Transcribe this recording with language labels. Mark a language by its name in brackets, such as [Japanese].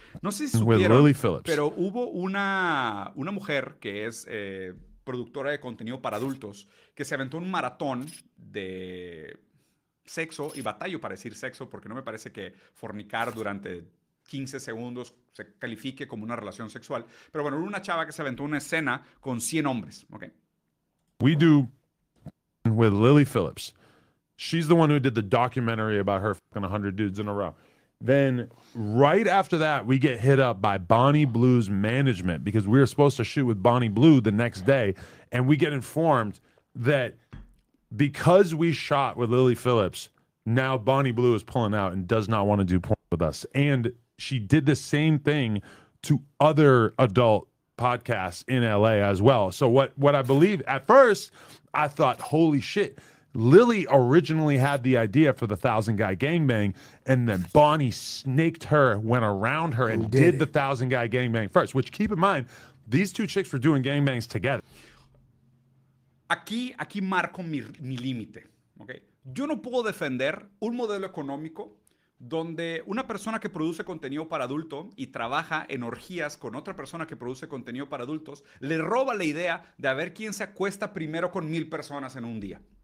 [Spanish] No sé si supieron, pero hubo una mujer que es productora de contenido para adultos que se aventó un maratón de sexo y batallo para decir sexo porque no me parece que fornicar durante 15 segundos se califique como una relación sexual. Pero bueno, una chava que se aventó una escena con 100 hombres. [English] Okay. We do with Lily Phillips. She's the one who did the documentary about her fucking 100 dudes in a row. Then right after that, we get hit up by Bonnie Blue's management because we were supposed to shoot with Bonnie Blue the next day. And we get informed that because we shot with Lily Phillips, now Bonnie Blue is pulling out and does not want to do porn with us. And she did the same thing to other adult podcasts in LA as well. So what I believe at first, I thought, holy shit. Lily originally had the idea for the 1,000-guy gangbang, and then Bonnie snaked her, went around her, and did the 1,000-guy gangbang first, which keep in mind, these two chicks were doing gangbangs together. [Spanish] Aquí marco mi límite, okay? Yo no puedo defender un modelo económico donde una persona que produce contenido para adulto y trabaja en orgías con otra persona que produce contenido para adultos le roba la idea de a ver quién se acuesta primero con 1,000 personas en un día.